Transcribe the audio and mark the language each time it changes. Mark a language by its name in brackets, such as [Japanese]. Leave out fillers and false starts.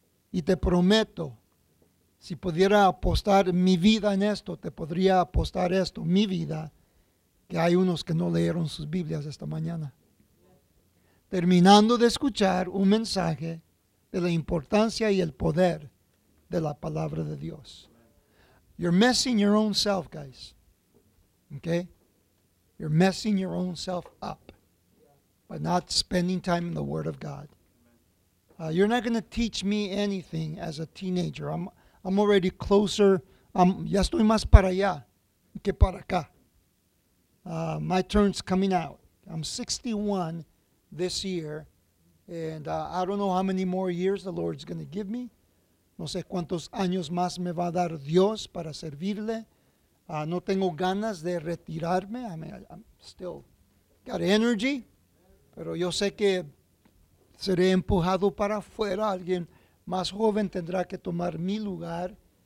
[Spanish] Y te prometo, si pudiera apostar mi vida en esto, te podría apostar esto, mi vida, que hay unos que no leyeron sus Biblias esta mañana. Terminando de escuchar un mensaje de la importancia y el poder de la palabra de Dios. [English] You're messing your own self, guys. Okay? You're messing your own self up by not spending time in the Word of God. You're not going to teach me anything as a teenager. I'm already closer. [Spanish] Ya estoy más para allá que para acá. [English] My turn's coming out. I'm 61 this year, and I don't know how many more years the Lord's going to give me. [Spanish] No sé cuántos años más me va a dar Dios para servirle. No tengo ganas de retirarme. [English] I mean, I'm still got energy. [Spanish] Pero yo sé que seré empujado para afuera. Alguien más joven tendrá que tomar mi lugar.